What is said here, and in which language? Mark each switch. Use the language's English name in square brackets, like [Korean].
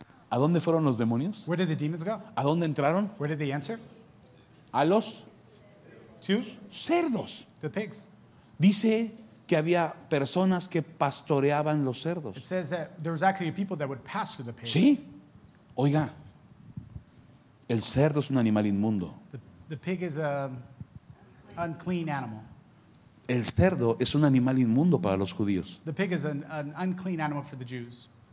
[Spanish] ¿A dónde fueron los demonios? [English] Where did the demons go? [Spanish] ¿A dónde entraron? [English] Where did they enter? [Spanish] A los [English] to [Spanish] cerdos. [English] The pigs. [Spanish] Dice que había personas que pastoreaban los cerdos. [English] It says that there was actually people that would pasture the pigs. [Spanish] Sí. Oiga, el cerdo es un animal inmundo. [English] The pig is an unclean animal. [Spanish] El cerdo es un animal inmundo para los judíos. [English] The pig is an unclean animal for the Jews.